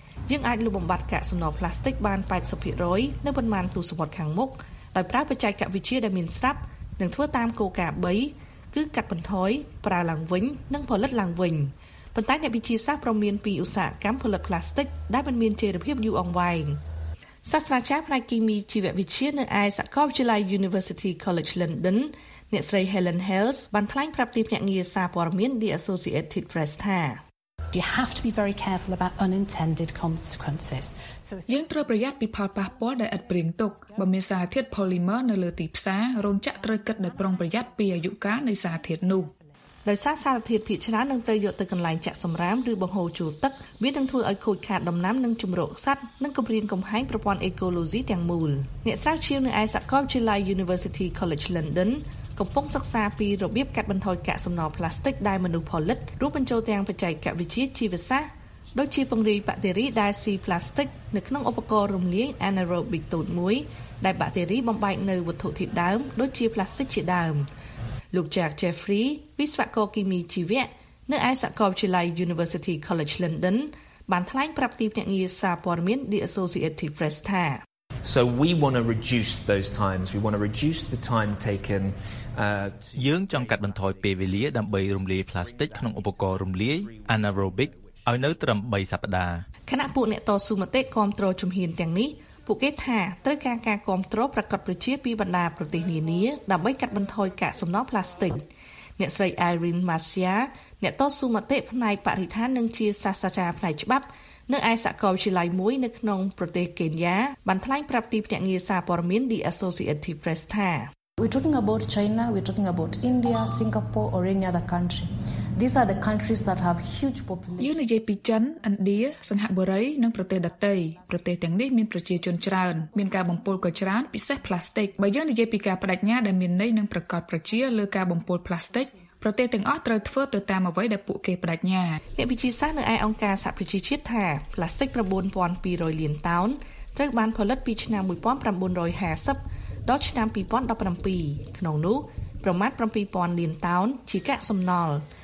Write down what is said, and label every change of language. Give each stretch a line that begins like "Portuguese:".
Khmer: យើងអាចលុបបំបាត់កាកសំណល់ផ្លាស្ទិកបាន 80% នៅប្រមាណទូសុវត្ថិខាងមុខដោយប្រើបច្ចេកវិទ្យាដែលមានស្រាប់និងធ្វើតាមគោលការណ៍3គឺកាត់បន្ថយប្រើឡើងវិញនិងផលិតឡើងវិញប៉ុន្តែអ្នកវិទ្យាសាស្ត្រប្រមានពីឧស្សាហកម្មផលិតផ្លាស្ទិកដែលមានចេរភាពយូរអង្វែងសាស្ត្រាចារ្យផ្នែកគីមីជីវវិទ្យានៅឯសាកលវិទ្យាល័យ University College London អ្នកស្រី Helen Hales បានថ្លែងប្រាប់ទីភ្នាក់ងារសារព័ត៌មាន The Associated Press ថា
English: You have to be very careful about unintended consequences.
Khmer: យើងត្រូវប្រយ័ត្នពីផលប៉ះពាល់ដែលឥតព្រៀងទុកបើមានសារធាតុ polymer នៅលើទីផ្សាររោងចក្រត្រូវគិតដោយប្រុងប្រយ័ត្នពីអាយុកាលនៃសារធាតុនោះ ដោយសារសារធាតុភាគច្រើននឹងត្រូវយកទៅកន្លែងចាក់សំរាមឬបង្ហូរចូលទឹកវានឹងធ្វើឲ្យខូចខាតដំណាំនិងជំរកសត្វនិងគំរាមកំហែងប្រព័ន្ធ ecology ទាំងមូលអ្នកស្រាវជ្រាវនៅឯសាកលវិទ្យាល័យ University College Londonកំពុងសិក្សាពីរបៀបកាត់បន្ថយកាកសំណល់ផ្លាស្ទិកដែលមនុស្សផលិតរួមបញ្ចូលទាំងបច្ចេកវិទ្យាជីវសាស្ត្រដូចជាពង្រីកបាក់តេរីដែលស៊ីផ្លាស្ទិកនៅក្នុងឧបករណ៍រំលាយ anaerobic ទូតមួយ ដែលបាក់តេរីបំបែកនៅវត្ថុធាតុដើមដូចជាផ្លាស្ទិកជាដើមលោក Jack Jeffrey វិស្វករគីមីជីវៈនៅឯសាកលវិទ្យាល័យ University College London បានថ្លែងប្រាប់ទីភ្នាក់ងារសារព័ត៌មាន The Associated Press ថា
English: So we want to reduce those times. We want to reduce the time taken.
Khmer: យើងចង់កាត់បន្ថយពេលវេលាដើម្បីរំលាយផ្លាស្ទិកក្នុងឧបករណ៍រំលាយ anaerobic ឲ្យនៅត្រឹម3សប្តាហ៍ខណៈពួកអ្នកតស៊ូមតិគាំទ្រជំហានទាំងនេះពួកគេថាត្រូវការការគាំទ្រប្រកបប្រជាពីបណ្ដាប្រទេសនានាដើម្បីកាត់បន្ថយកាកសំណល់ផ្លាស្ទិកអ្នកស្រី Irene Marcia អ្នកតស៊ូមតិផ្នែកបរិស្ថាននិងជាសាស្ត្រាចារ្យផ្នែកច្បាប់នៅឯសាកលវិទ្យាល័យមួយនៅក្នុងប្រទេសកេនយ៉ាបានថ្លែងប្រាប់ទីភ្នាក់ងារសារព័ត៌មាន The Associated Press ថា
English: We're talking about China, we're talking about India, Singapore or any other country. These are the countries that have huge population.
Khmer: យើងនិយាយពីចិនឥណ្ឌាសិង្ហបុរីនិងប្រទេសដទៃប្រទេសទាំងនេះមានប្រជាជនច្រើនមានការបំពុលក៏ច្រើនពិសេសផ្លាស្ទិកបើយើងនិយាយពីការបដិញ្ញាដែលមានន័យនិងប្រកបប្រជាលើការបំពុលផ្លាស្ទិកប្រទេសទាំងអស់ត្រូវធ្វើទៅតាមអ្វីដែលពួកគេបដិញ្ញា អ្នកវិទ្យាសាស្ត្រនៅឯអង្គការសហប្រជាជាតិថាផ្លាស្ទិក9200លានតោនត្រូវបានផលិតពីឆ្នាំ1950ដល់ឆ្នាំ2017ក្នុងនោះប្រមាណ7000លានតោនជាកាកសំណល់